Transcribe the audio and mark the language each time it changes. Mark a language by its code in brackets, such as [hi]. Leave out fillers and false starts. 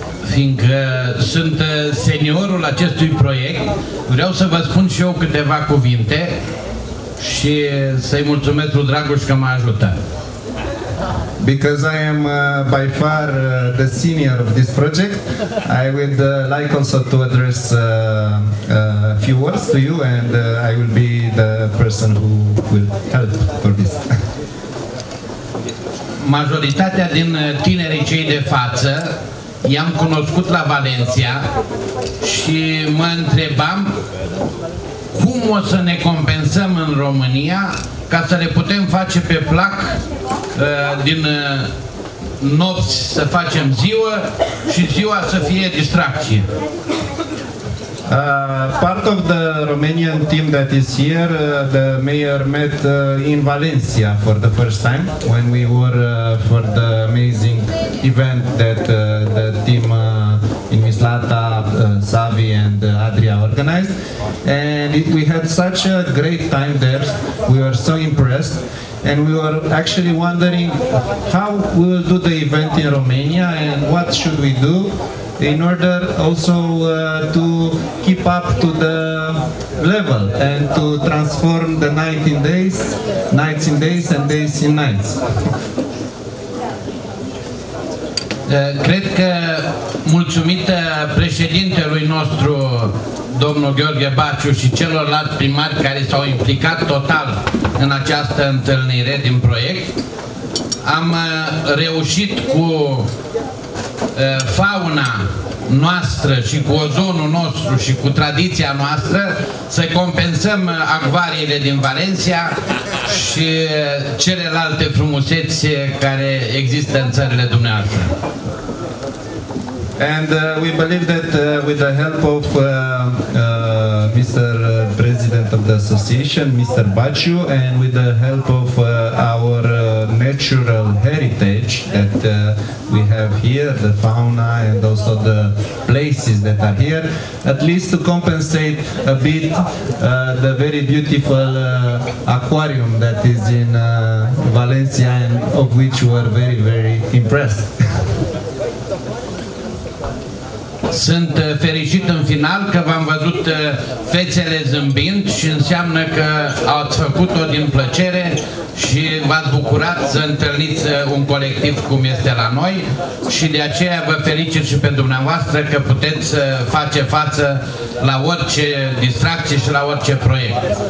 [ro] Fiindcă sunt seniorul acestui proiect, vreau să vă spun și eu câteva cuvinte și să-i mulțumesc lui Dragoș că mă ajută. [en] Because I am by far the senior of this project, I would like also to address a few words to you, and I will be the person who will help for this. [ro] Majoritatea din tinerii cei de față i-am cunoscut la Valencia și mă întrebam cum o să ne compensăm în România ca să le putem face pe plac din nopți să facem ziua și ziua să fie distracție. [en] Part of the Romanian team that is here, the mayor met in Valencia for the first time when we were for the amazing event that the team in Mislata, Savi and Adria organized. And we had such a great time there, we were so impressed. And we were actually wondering how we will do the event in Romania and what should we do in order also to keep up to the level and to transform the night in days, nights in days and days in nights. [ro] Cred că mulțumită președintelui nostru, domnul Gheorghe Baciu, și celorlalți primari care s-au implicat total în această întâlnire din proiect, am reușit cu fauna noastră și cu ozonul nostru și cu tradiția noastră să compensăm acvariile din Valencia și celelalte frumusețe care există în țările dumneavoastră. [en] And we believe that with the help of Mr. President of the Association, Mr. Baciu, and with the help of our natural heritage that we have here, the fauna and also the places that are here, at least to compensate a bit the very beautiful aquarium that is in Valencia and of which we are very, very impressed. [ro] Sunt fericit în final că v-am văzut fețele zâmbind și înseamnă că ați făcut-o din plăcere și v-ați bucurat să întâlniți un colectiv cum este la noi și de aceea vă felicit și pentru dumneavoastră că puteți face față la orice distracție și la orice proiect.